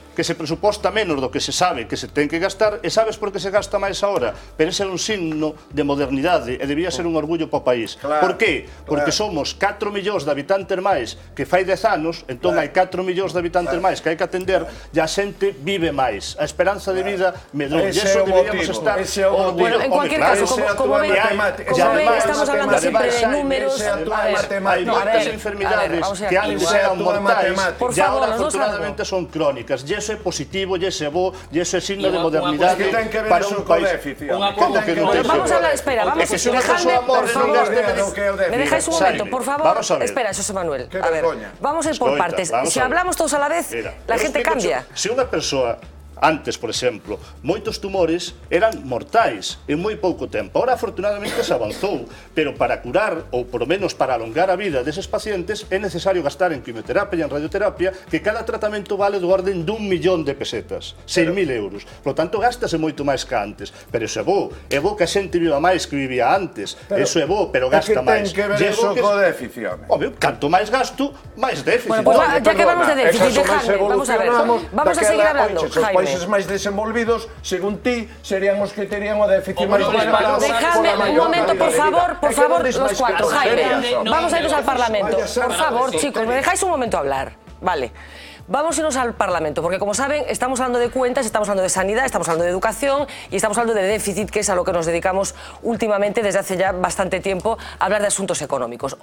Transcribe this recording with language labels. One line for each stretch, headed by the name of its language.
Galician: Que se presuposta menos do que se sabe que se ten que gastar, e sabes por que se gasta máis agora, pero ese é un signo de modernidade e debía ser un orgullo para o país. Claro, por que? Porque somos 4 millóns de habitantes máis que fai 10 anos, entón hai 4 millóns de habitantes máis que hai que atender, e a xente vive máis. A esperanza de vida medrou. E iso deberíamos estar... Ese é o motivo.
Spanish: Bueno, en cualquier caso, como ve, estamos hablando sempre de números...
Galician: Ese é a tua matemática. Hai moitas enfermidades que antes eran mortais, e agora, afortunadamente, son crónicas. Eso é positivo, e ese é bo, e ese é signo de modernidade para un país. Como que non ten que ver?
Spanish: Vamos a espera, vamos a ver. Me dejáis un momento, por favor. Espera, José Manuel. A ver, vamos a ir por partes. Si hablamos todos a la vez, la gente cambia.
Galician: Si unha persoa, antes, por exemplo, moitos tumores eran mortais en moi pouco tempo. Ahora, afortunadamente, se avanzou, pero para curar, ou
Spanish: por lo menos
Galician: para alongar a vida deses pacientes, é necesario gastar en quimioterapia e en radioterapia, que cada tratamento vale do orden dun millón de pesetas, 6.000 euros.
Spanish: Por lo tanto,
Galician: gástase moito máis que antes. Pero iso é bo que a xente viva máis que vivía antes. Iso é bo, pero gasta máis. Que ten que ver iso co déficit? Obvio, canto máis gasto, máis déficit.
Spanish: Bueno, pues, ya que vamos de déficit, dejadme, vamos a ver. Vamos a seguir hablando, Jaime.
Galician: Países máis desenvolvidos, según ti, serían os que terían o déficit máis desbarado.
Spanish: Dejadme un momento, por favor, los cuatro, Jaime. Vamos a irnos al Parlamento. Por favor, chicos, me dejáis un momento hablar. Vale. Vamos a irnos al Parlamento, porque como saben, estamos hablando de cuentas, estamos hablando de sanidad, estamos hablando de educación y estamos hablando de déficit, que es a lo que nos dedicamos últimamente desde hace ya bastante tiempo, a hablar de asuntos económicos.